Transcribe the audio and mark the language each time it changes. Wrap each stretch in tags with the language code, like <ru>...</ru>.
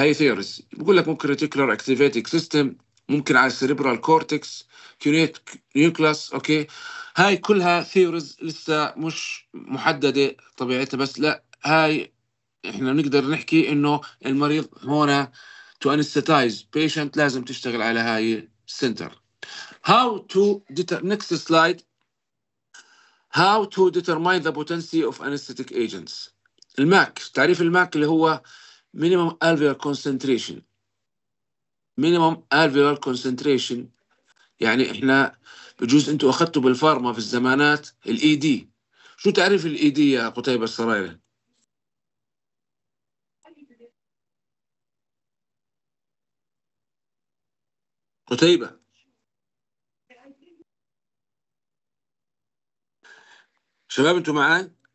<ar>هاي ثيوريز بقول لك ممكن ريتيكولار اكتيفيتيك سيستم، ممكن على السيريبرال كورتكس، كيونيت نيوكلاس. اوكي هاي كلها ثيوريز لسه مش محدده طبيعتها، بس لا هاي احنا نقدر نحكي انه المريض هنا تو انستيتايز بيشنت لازم تشتغل على هاي سنتر.</ar> <en>How to determine, next slide. How to determine the potency of anesthetic agents.</en> <ar>الماك، تعريف الماك اللي هو minimum alveolar concentration. Minimum alveolar concentration يعني احنا بجوز انتوا اخذتوا بالفارما في الزمانات الـ ED. شو تعريف الـ ED يا قتيبة السرايرة؟ قتيبة شباب انتوا معاي؟</ar>